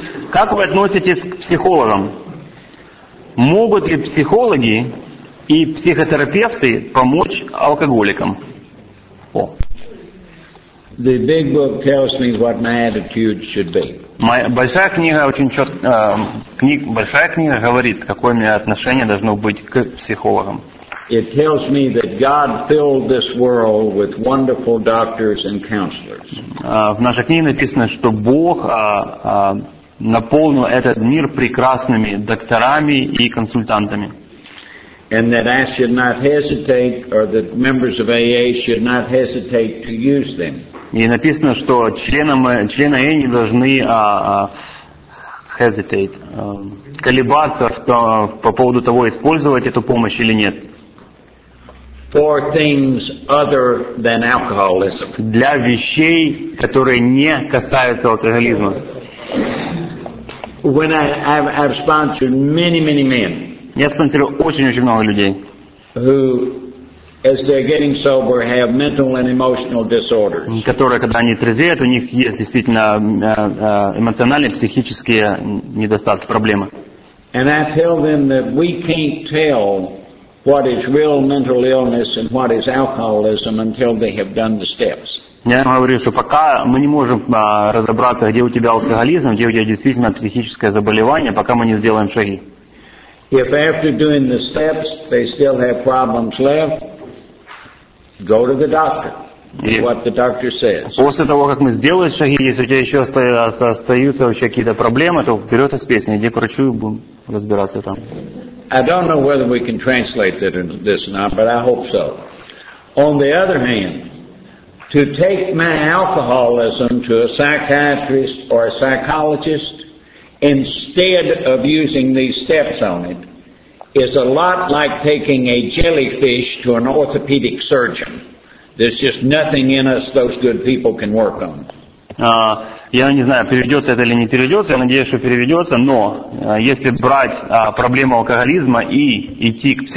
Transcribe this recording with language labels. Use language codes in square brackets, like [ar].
[ru] Как вы относитесь к психологам? Могут ли психологи и психотерапевты помочь алкоголикам? О. [en] The big book tells me what my attitude should be. [ru] Большая книга очень четко большая книга говорит, какое у меня отношение должно быть к психологам. [en] It tells me that God filled this world with wonderful doctors and counselors. [ru] В нашей книге написано, что Бог наполнил этот мир прекрасными докторами и консультантами. [en] And that I should not hesitate, or that members of AA should not hesitate to use them. [ru] И написано, что члены AA не должны hesitate, колебаться по поводу того, использовать эту помощь или нет. [en] For things other than alcoholism. [ru] Для вещей, которые не касаются алкоголизма. [en] When I've sponsored many, many men. [ru] Я спонсирую очень-очень много людей, [en] who, as they're getting sober, have mental and emotional disorders. [ru] Которые, когда они трезвеют, у них есть действительно эмоциональные, психические недостатки, проблемы. [en] And I tell them that we can't tell what is real mental illness and what is alcoholism until they have done the steps. [ru] Я говорю, что пока мы не можем разобраться, где у тебя алкоголизм, где у тебя действительно психическое заболевание, пока мы не сделаем шаги. [en] If after doing the steps they still have problems left, go to the doctor. Do what the doctor says. [ru] После того, как мы сделали шаги, если у тебя еще остаются вообще какие-то проблемы, то вперед из песни, иди к врачу и будем разбираться там. [en] I don't know whether we can translate that or this or not, but I hope so. On the other hand, to take my alcoholism to a psychiatrist or a psychologist instead of using these steps on it is a lot like taking a jellyfish to an orthopedic surgeon. There's just nothing in us those good people can work on. [ru] Я не знаю, переведется это или не переведется, я надеюсь, что переведется, но если брать проблему алкоголизма и идти к психологу,